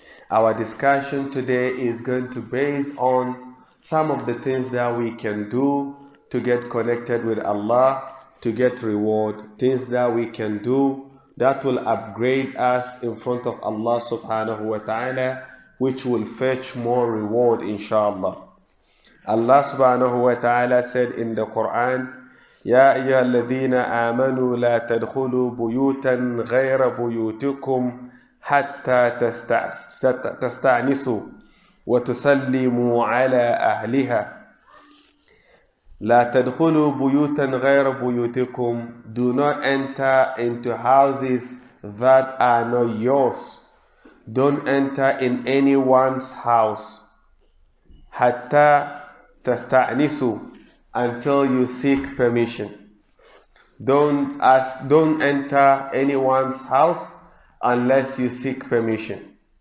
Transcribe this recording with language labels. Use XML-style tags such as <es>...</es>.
<en>Our discussion today is going to base on some of the things that we can do to get connected with Allah, to get reward, things that we can do that will upgrade us in front of Allah subhanahu wa ta'ala, which will fetch more reward inshallah. Allah subhanahu wa ta'ala said in the Quran,</en> <ar>يا أيها الذين آمنوا لا تدخلوا بيوتا غير بيوتكم حتى تستأنسوا وتسلموا على أهلها. لا تدخلوا بيوتا غير بيوتكم.</ar> <en>Do not enter into houses that are not yours. Don't enter in anyone's house.</en> <ar>حتى تستأنسوا.</ar> <en>Until you seek permission. Don't enter anyone's house unless you seek permission.</en>